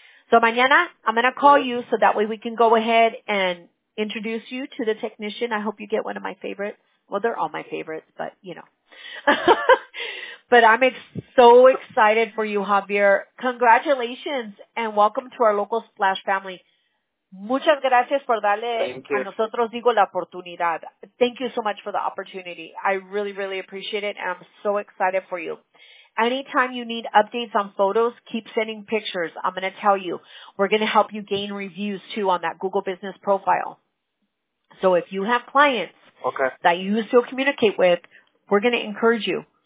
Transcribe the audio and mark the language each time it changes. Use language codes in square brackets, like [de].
[en] So mañana, I'm going to call you so that way we can go ahead and introduce you to the technician. I hope you get one of my favorites. Well, they're all my favorites, but, you know. But I'm so excited for you, Javier. Congratulations, and welcome to our local Splash family. [es] Muchas gracias por darle a nosotros, digo, la oportunidad. [en] Thank you so much for the opportunity. I really, really appreciate it, and I'm so excited for you. Anytime you need updates on photos, keep sending pictures. I'm going to tell you, we're going to help you gain reviews, too, on that Google Business profile. So if you have clients that you still communicate with, we're going to encourage you.